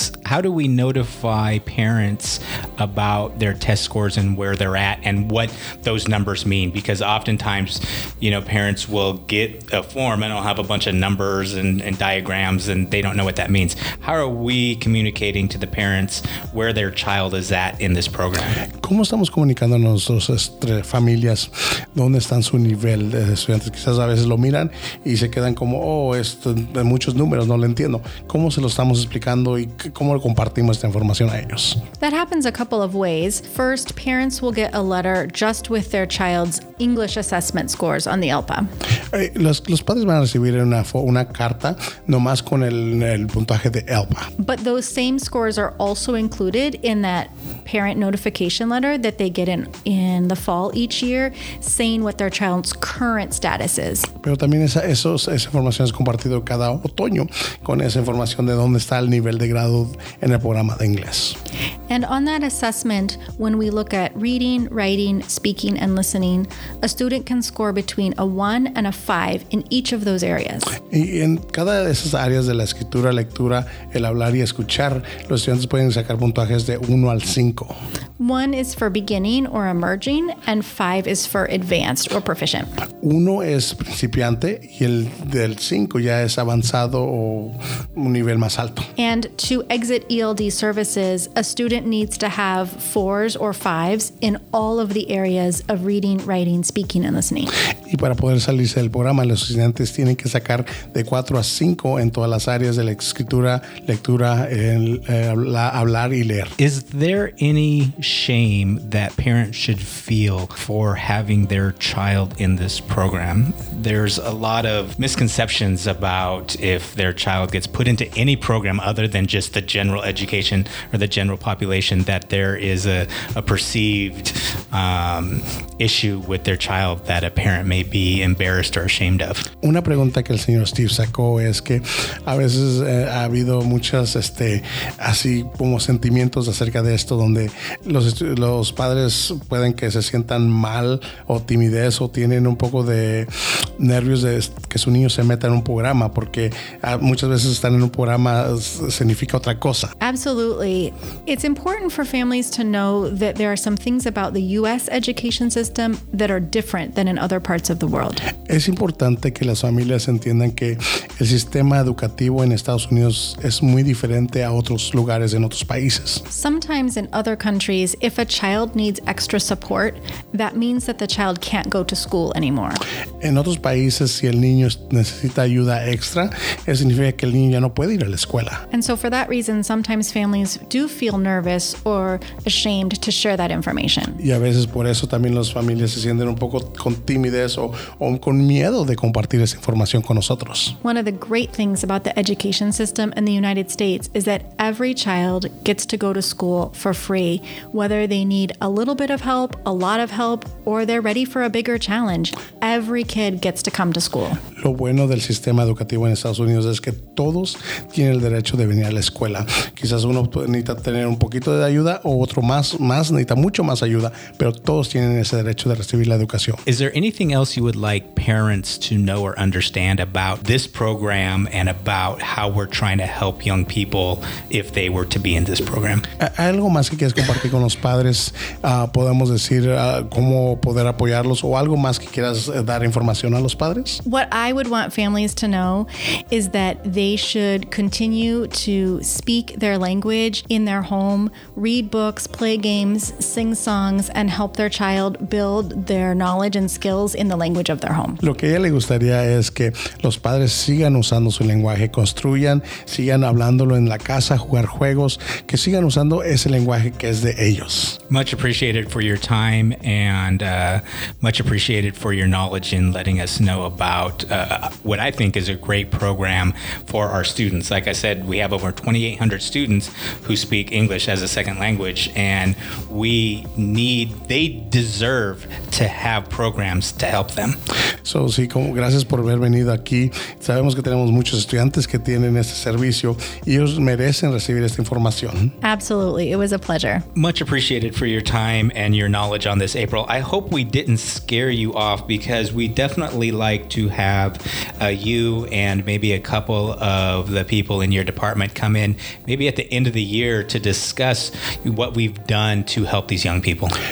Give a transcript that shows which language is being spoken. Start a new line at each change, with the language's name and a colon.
English: How do we notify parents about their test scores and where they're at and what those numbers mean? Because oftentimes, you know, parents will get a form and it'll have a bunch of numbers and diagrams and they don't know what that means. How are we communicating to the parents where their child is at in this program?
Spanish: ¿Cómo estamos comunicando a nuestras familias dónde están su nivel de estudiantes? Quizás a veces lo miran y se quedan como, oh, esto de muchos números, no lo entiendo. ¿Cómo se lo estamos explicando y cómo lo compartimos esta información a ellos?
English: That happens a couple of ways. First, parents will get a letter just with their child's English assessment scores on the ELPA.
Spanish: Los padres van a recibir una carta nomás con el puntaje de ELPA.
English: But those same scores are also included in that parent notification letter that they get in the fall each year, saying what their child's current status is.
Spanish: Pero también esa información es compartido cada otoño con esa información de dónde está el nivel de grado en el programa de inglés.
English: And on that assessment, when we look at reading, writing, speaking, and listening, a student can score between a 1 and a 5 in each of those areas.
Spanish: Y en cada de esas áreas de la escritura, lectura, el hablar y escuchar, los estudiantes pueden sacar puntajes de 1 al 5.
English: 1 is for beginning or emerging, and 5 is for advanced or proficient.
Spanish: 1 es principiante y el del 5 ya es avanzado o un nivel más alto.
English: And to exit ELD services, a student needs to have 4s or 5s in all of the areas of reading, writing, speaking, and listening.
Spanish: Y para poder salirse del programa, los estudiantes tienen que sacar de 4 a 5 en todas las áreas de la escritura, lectura, hablar y leer.
English: Is there any shame that parents should feel for having their child in this program? There's a lot of misconceptions about if their child gets put into any program other than just the general education or the general population, that there is a perceived issue with their child that a parent may be embarrassed or ashamed of.
Spanish: Una pregunta que el señor Steve sacó es que a veces ha habido muchas así como sentimientos acerca de esto donde los padres pueden que se sientan mal o timidez o tienen un poco de nervios de que su niño se meta en un programa porque muchas veces estar en un programa significa otra cosa.
English: Absolutely. It's important for families to know that there are some things about the U.S. education system that are different than in other parts of the world.
Spanish: Es importante que las familias entiendan que el sistema educativo en Estados Unidos es muy diferente a otros lugares en otros países.
English: Sometimes in other countries, if a child needs extra support, that means that the child can't go to school anymore.
Spanish: En otros países, si el niño necesita ayuda extra, eso significa que el niño ya no puede ir a la escuela.
English: And so for that reason, sometimes families do feel nervous or ashamed to share that information.
Spanish: Y a veces por eso también las familias se sienten un poco con timidez o con miedo de compartir esa información con nosotros.
English: One of the great things about the education system in the United States is that every child gets to go to school for free, whether they need a little bit of help, a lot of help, or they're ready for a bigger challenge. Every kid gets to come to school.
Spanish: Lo bueno del sistema educativo en Estados Unidos es que todos tienen el derecho de venir a la escuela. Quizás uno necesita tener un poquito de ayuda o otro más necesita mucho más ayuda, pero todos tienen ese derecho de recibir la educación.
English: Is there anything else you would like parents to know or understand about this program and about how we're trying to help young people if they were to be in this program?
Spanish: ¿Algo más que quieras compartir con los padres? ¿Podemos decir cómo poder apoyarlos o algo más que quieras dar información a los padres?
English: What I would want families to know is that they should continue to speak their language in their home, read books, play games, sing songs, and help their child build their knowledge and skills in the language of their home.
Spanish: Lo que a ella le gustaría es que los padres sigan usando su lenguaje, construyan, sigan hablándolo en la casa, jugar juegos, que sigan usando ese lenguaje que es de ellos.
English: Much appreciated for your time and and much appreciated for your knowledge in letting us know about what I think is a great program for our students. Like I said, we have over 2,800 students who speak English as a second language, and they deserve to have programs to help them.
Spanish: So, sí, gracias por haber venido aquí. Sabemos que tenemos muchos estudiantes que tienen este servicio y ellos merecen recibir esta información.
English: Absolutely. It was a pleasure. Much appreciated for your time and your knowledge on this, April. I hope we didn't scare you off, because we definitely like to have you and maybe a couple of the people in your department come in maybe at the end of the year to discuss what we've done to help these young people.